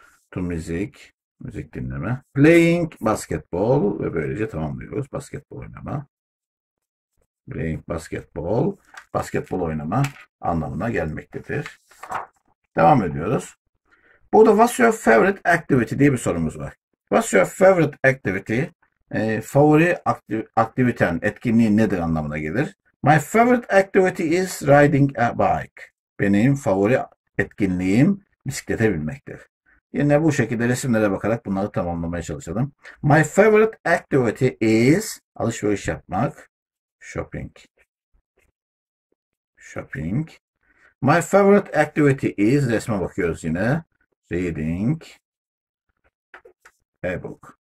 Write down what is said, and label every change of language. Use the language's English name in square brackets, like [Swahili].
[English] To music, [Turkish] müzik dinleme. [English] Playing basketball [Turkish] ve böylece tamamlıyoruz. Basketbol oynama. [English] Playing basketball. [Turkish] Basketbol oynama anlamına gelmektedir. Devam ediyoruz. Burada [English] what's your favorite activity [Turkish] diye bir sorumuz var. [English] What's your favorite activity? [Turkish] Favori aktiviten, etkinliği nedir anlamına gelir. [English] My favorite activity is riding a bike. [Turkish] Benim favori etkinliğim bisiklete binmektir. Yine bu şekilde resimlere bakarak bunları tamamlamaya çalışalım. [English] My favorite activity is [Turkish] alışveriş yapmak. [English] Shopping. Shopping. My favorite activity is [Turkish] resme bakıyoruz yine. [English] Reading a book.